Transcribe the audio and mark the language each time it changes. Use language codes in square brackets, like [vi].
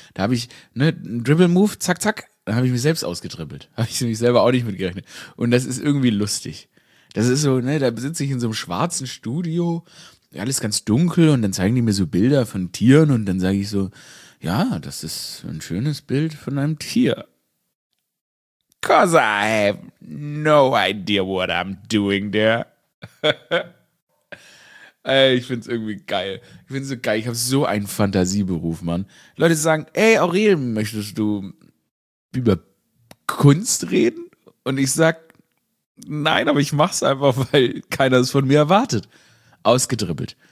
[de] Da habe ich, ne, einen Dribble-Move, zack, zack, dann habe ich mich selbst ausgedribbelt. Habe ich nämlich selber auch nicht mitgerechnet. Und das ist irgendwie lustig. Das ist so, ne, da sitze ich in so einem schwarzen Studio, alles ganz dunkel, und dann zeigen die mir so Bilder von Tieren und dann sage ich so, ja, das ist ein schönes Bild von einem Tier. [en] 'Cause I have no idea what I'm doing there. [de] Ich find's irgendwie geil. Ich find's so geil, ich habe so einen Fantasieberuf, Mann. Leute sagen, ey, Aurel, möchtest du über Kunst reden? Und ich sag, nein, aber ich mach's einfach, weil keiner es von mir erwartet. Ausgedribbelt.